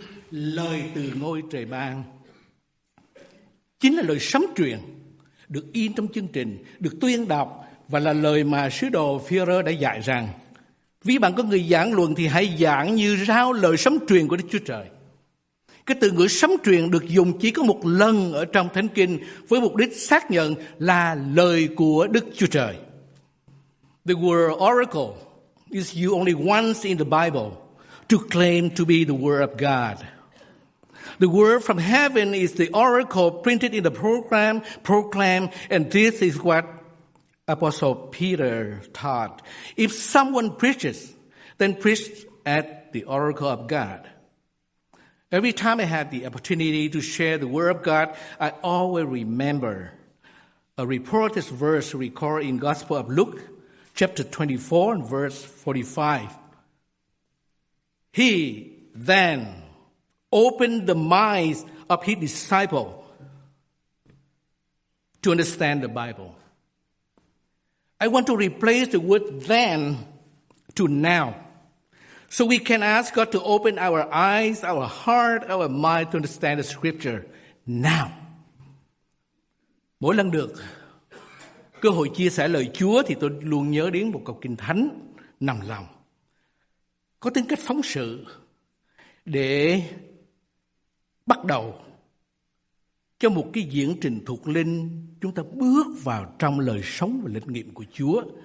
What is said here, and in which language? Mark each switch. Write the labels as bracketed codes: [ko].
[vi] Lời từ ngôi trời ban chính là lời sấm truyền được in trong chương trình, được tuyên đọc, và là lời mà sứ đồ Phi-e-rơ đã dạy rằng: ví bạn có người giảng luận thì hãy giảng như rao lời sấm truyền của Đức Chúa Trời. Cái từ ngữ sấm truyền được dùng chỉ có một lần ở trong Thánh Kinh với mục đích xác nhận là lời của Đức Chúa Trời. [en] The word oracle is used only once in the Bible to claim to be the word of God. The word from heaven is the oracle printed in the program, proclaim, and this is what Apostle Peter taught. If someone preaches, then preach at the oracle of God. Every time I had the opportunity to share the word of God, I always remember a reported verse recorded in Gospel of Luke, chapter 24, and verse 45. He then opened the minds of his disciples to understand the Bible. I want to replace the word then to now, so we can ask God to open our eyes, our heart, our mind to understand the scripture now. [vi] Mỗi lần được cơ hội chia sẻ lời Chúa thì tôi luôn nhớ đến một câu kinh thánh nằm lòng, có tính cách phóng sự để bắt đầu cho một cái diễn trình thuộc linh, chúng ta bước vào trong lời sống và linh nghiệm của Chúa.